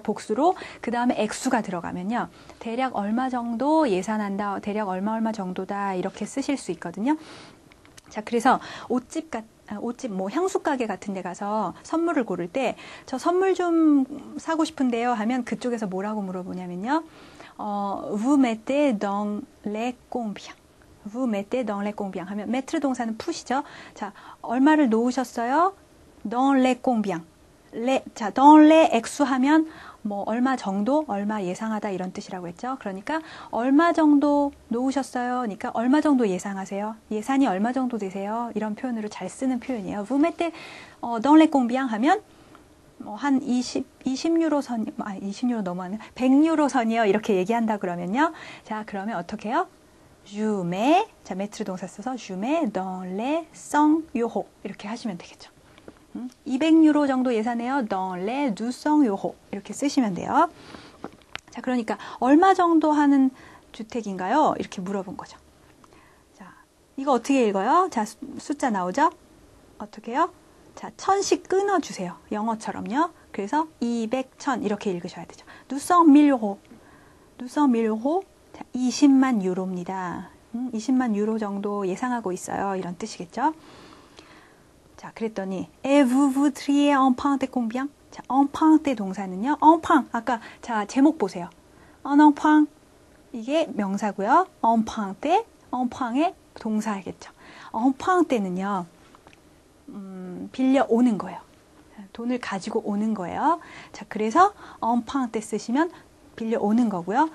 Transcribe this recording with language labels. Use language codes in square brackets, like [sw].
[ko] 복수로 그 다음에 액수가 들어가면요. 대략 얼마 정도 예산한다. 대략 얼마 정도다. 이렇게 쓰실 수 있거든요. 자, 그래서 옷집, 뭐, 향수가게 같은 데 가서 선물을 고를 때, 저 선물 좀 사고 싶은데요 하면 그쪽에서 뭐라고 물어보냐면요. [fr] vous mettez dans les combien? vous mettez dans les combien? [ko] 하면, mettre 동사는 put이죠. 자, 얼마를 놓으셨어요? [fr] dans les combien? [ko] 자, dans les 액수 하면, 뭐, 얼마 정도, 얼마 예상하다 이런 뜻이라고 했죠. 그러니까, 얼마 정도 놓으셨어요? 그러니까, 얼마 정도 예상하세요? 예산이 얼마 정도 되세요? 이런 표현으로 잘 쓰는 표현이에요. [fr] Vous mettez dans les combien [ko] 하면, 뭐, 한 20유로 선, 아, 20유로 너무 안, 100유로 선이요. 이렇게 얘기한다 그러면요. 자, 그러면 어떻게 해요? [fr] Je mets, 자, [ko] 매트 동사 써서, [fr] je mets dans les 100유로. [ko] 이렇게 하시면 되겠죠. 200유로 정도 예산해요. [fr] dans les 200유로 [ko] 이렇게 쓰시면 돼요. 자, 그러니까 얼마 정도 하는 주택인가요? 이렇게 물어본 거죠. 자, 이거 어떻게 읽어요? 자, 숫자 나오죠? 어떻게 해요? 자, 천씩 끊어주세요. 영어처럼요. 그래서 200,000 이렇게 읽으셔야 되죠. 200,000유로 200,000유로 자, 20만 유로입니다. 20만 유로 정도 예상하고 있어요. 이런 뜻이겠죠? [fr] 자, 그랬더니 Et vous voudriez emprunter combien? [ko] 자, emprunter 동사는요. emprunt 아까 자, 제목 보세요. un emprunt 이게 명사고요. 엉팡 때, 엉팡의 동사겠죠. 엉팡 때는요, 빌려 오는 거예요. 돈을 가지고 오는 거예요. 자, 그래서 엉팡 때 쓰시면 빌려 오는 거고요.